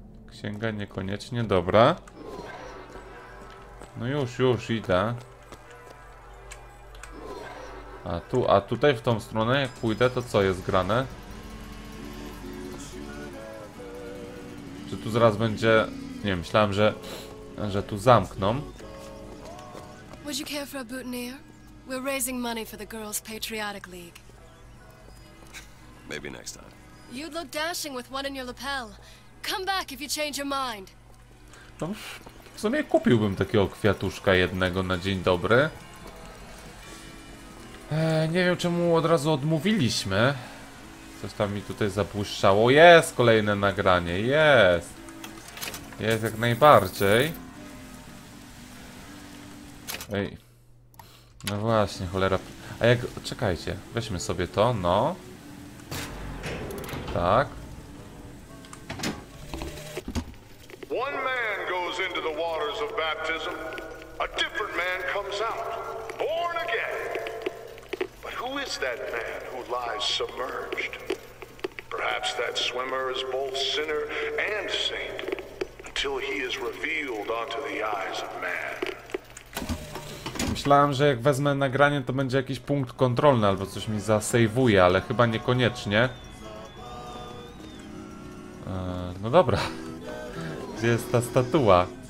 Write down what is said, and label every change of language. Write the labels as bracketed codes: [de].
[pl] Księga niekoniecznie, dobra. No już, już idę. A tutaj w tą stronę, jak pójdę, to co jest grane? Czy tu zaraz będzie. Nie, myślałem, że tu zamkną. [en] Would you care for a boutonniere? We're raising money for the Girls Patriotic League. Maybe next time. You'd look dashing with one in your lapel. Come back if you change your mind. [pl] No, w sumie kupiłbym takiego kwiatuszka jednego na dzień dobry. Nie wiem, czemu od razu odmówiliśmy. Coś tam mi tutaj zabłyszczało. Jest kolejne nagranie. Jest. Jest jak najbardziej. Ej, no właśnie, cholera. A jak. Czekajcie, weźmy sobie to, no. Tak. [en] One man goes into the waters of baptism, a different man comes out, born again. But who is that man who lies submerged? Perhaps that swimmer is both sinner and saint, until he is revealed onto the eyes of man. [pl] Myślałem, że jak wezmę nagranie, to będzie jakiś punkt kontrolny albo coś mi zasejwuje, ale chyba niekoniecznie. No dobra. Gdzie jest ta statua?